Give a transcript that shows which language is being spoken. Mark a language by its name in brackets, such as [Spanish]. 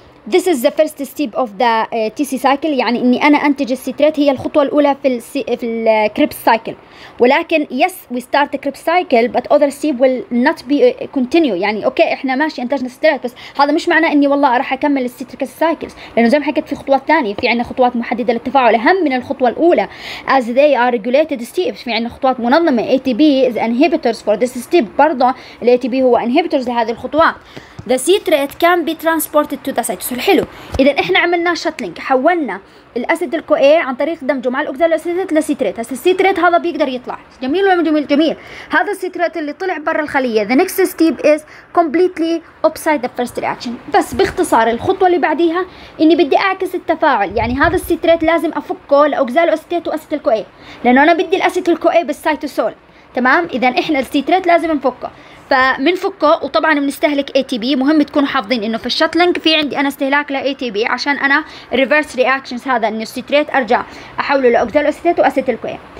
[English] This is the first step of the TC cycle، [Arabic] يعني اني انا انتج السيترات هي الخطوه الاولى في الكريبس سايكل، ولكن [English] yes we start the Krebs cycle but other step will not be continue، [Arabic] يعني اوكي احنا ماشي انتجنا السيترات بس هذا مش معناه اني والله راح اكمل السيتريك سايكلز، لانه زي ما حكيت في خطوات ثانيه، في عندنا خطوات محدده للتفاعل اهم من الخطوه الاولى [English] as they are regulated steps، [Arabic] في عندنا خطوات منظمه [English] ATP is inhibitors for this step، [Arabic] برضه الـ ATP هو [English] inhibitors [Arabic] لهذه الخطوات. [English] The citrate can be transported to the cytosol. [Arabic] حلو. إذا إحنا عملنا شاتلينج، حولنا الأسيد الكوي عن طريق دمجه مع الأوكزالو أسيتيت لسيترات. هسا السيترات هذا بيقدر يطلع. جميل ولا جميل؟ جميل. هذا السيترات اللي طلع برا الخلية. [English] The next step is completely upside the first reaction. [Arabic] بس باختصار الخطوة اللي بعديها إني بدي أعكس التفاعل. يعني هذا السيترات لازم أفكه لأوكزالو أسيتيت وأسيد الكوي. لأنه أنا بدي الأسيد الكوي بالسيتوسول. تمام؟ إذا إحنا السيترات لازم نفكه. فمنفكه وطبعا بنستهلك ATP، مهم تكونوا حافظين انه في الشاتلينج في عندي انا استهلاك ل ATP عشان انا [English] reverse reactions، [Arabic] هذا ان السيترات ارجع احوله لأوكزالو أسيتيت وأسيتيل كوي.